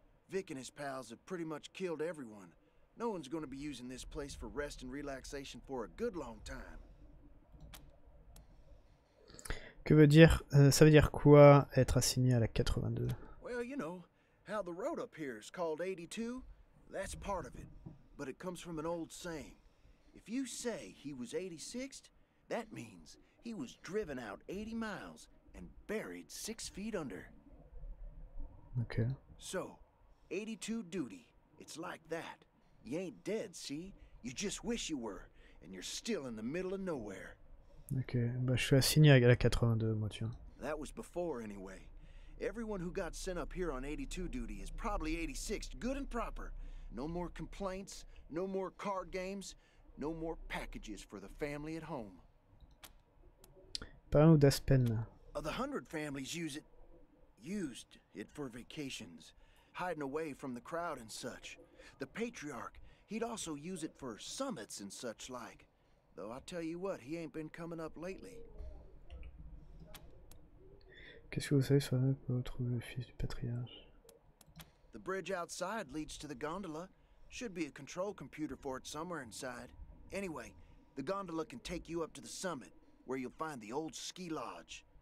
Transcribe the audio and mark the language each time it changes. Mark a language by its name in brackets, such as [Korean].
[English] Vic and his pals have pretty much killed everyone. No one's going to be using this place for rest and relaxation for a good long time. [French] Que veut dire ça veut dire quoi être assigné à la 82? [English] Well, you know, how the road up here is called 82, that's part of it. But it comes from an old saying. If you say he was 86th, that means he was driven out 80 miles and buried 6 feet under. Okay. So, 82 duty, it's like that. You ain't dead, see? You just wish you were, and you're still in the middle of nowhere. [French] Okay, bah je suis assigné à la 82, moi, tu vois. [English] That was before, anyway. Everyone who got sent up here on 82 duty is probably 86th, good and proper. No more complaints, no more card games, no more packages for the family at home. [French] Parlons d'Aspen. [English] The 100 families use it. Used it for vacations, hiding away from the crowd and such. The patriarch, he'd also use it for summits and such like. Though I tell you what, he ain't been coming up lately. [French] Qu'est-ce que vous savez sur le pour trouver le fils du patriarche? [English] The bridge outside leads to the gondola. Should be a control computer for it somewhere inside. Anyway, the gondola can take you up to the summit, where you'll find the old ski lodge.